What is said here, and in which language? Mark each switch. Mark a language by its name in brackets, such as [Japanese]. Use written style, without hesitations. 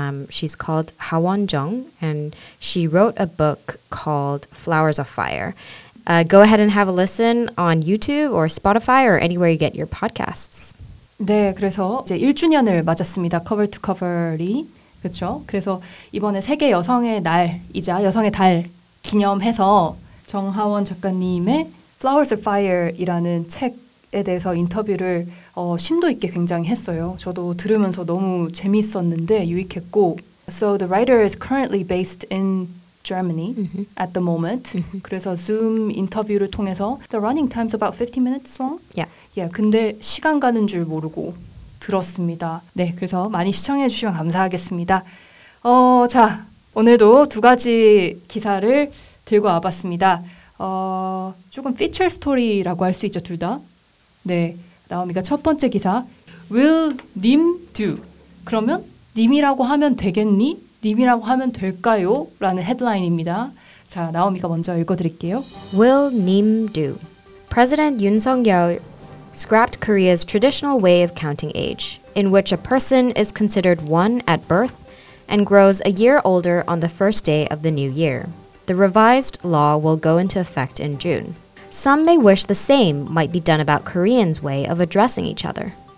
[English] She's called Ha Won Jung, and she wrote a book called Flowers of Fire. Go ahead and have a listen on YouTube or Spotify or anywhere you get your podcasts. [Korean] 네, 그래서 이제 1주년을 맞았습니다. Cover to Cover이. 그렇죠? 그래서 이번에 세계 여성의 날이자 여성의 달 기념해서 정하원 작가님의 Flowers of Fire이라는 책에 대해서 인터뷰를 심도 있게 굉장히 했어요. 저도 들으면서 너무 재밌었는데 유익했고. [English] So the writer is currently based in Germany mm-hmm. at the moment. Mm-hmm. [Korean] 그래서 Zoom 인터뷰를 통해서 [English] the running time's about 50 minutes long. Yeah. Yeah. [Korean] 근데 시간 가는 줄 모르고 들었습니다. 네, 그래서 많이 시청해 주시면 감사하겠습니다. 자, 오늘도 두 가지 기사를 들고 와봤습니다. 조금 feature story라고 할 수 있죠, 둘 다. 네, 나오미가 첫 번째 기사 Will 님 do? 그러면 님이라고 하면 되겠니? 님이라고 하면 될까요? 라는 헤드라인입니다. 자, 나오미가 먼저 읽어드릴게요. [English] Will 님 do? President Yoon Sung-yeol scrapped Korea's traditional way of counting age, in which a person is considered one at birth and grows a year older on the first day of the new year. The revised law will go into effect in June. Some may wish the same might be done about Koreans' way of addressing each other.